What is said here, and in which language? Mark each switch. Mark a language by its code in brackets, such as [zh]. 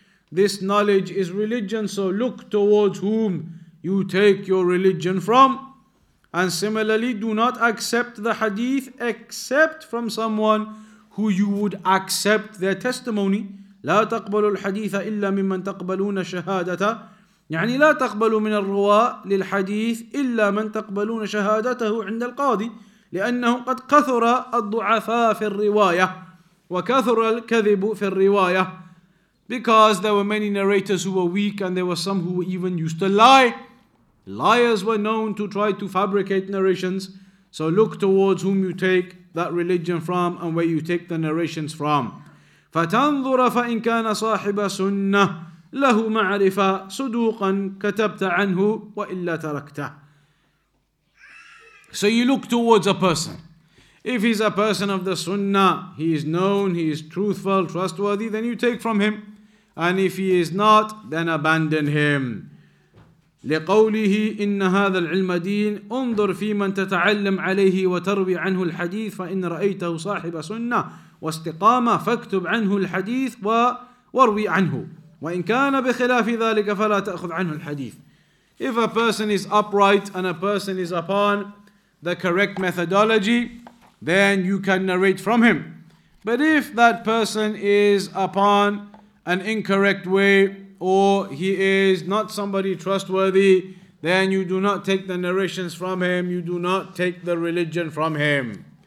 [en] This knowledge is religion, so look towards whom you take your religion from. And similarly, do not accept the hadith except from someone who you would accept their testimony. [ar] لَا تَقْبَلُوا الْحَدِيثَ إِلَّا مِمَّنْ تَقْبَلُونَ شَهَادَةً. يعني لا تقبلوا من الرواة للحديث إلا من تقبلون شهادته عند القاضي لأنه قد كثر الضعفاء في الرواية وكثر الكذب في الرواية. [en] Because there were many narrators who were weak, and there were some who even used to lie. Liars were known to try to fabricate narrations. So look towards whom you take that religion from and where you take the narrations from. [ar] فتنظر فإن كان صاحب سنة له معرفة صدوقا كتبت عنه وإلا تركته. [en] So you look towards a person. If he's a person of the sunnah, he is known, he is truthful, trustworthy, then you take from him. And if he is not, then abandon him. [ar] لقوله إن هذا العلم دين انظر في من تتعلم عليه وتروي عنه الحديث فإن رأيته صاحب سنة واستقامة فاكتب عنه الحديث وروي عنه. وَإِنْ كَانَ بِخِلَافِ ذَلِكَ فَلَا تَأْخُذْ عَنْهُ الْحَدِيثِ. [en] If a person is upright and a person is upon the correct methodology, then you can narrate from him. But if that person is upon an incorrect way, or he is not somebody trustworthy, then you do not take the narrations from him, you do not take the religion from him.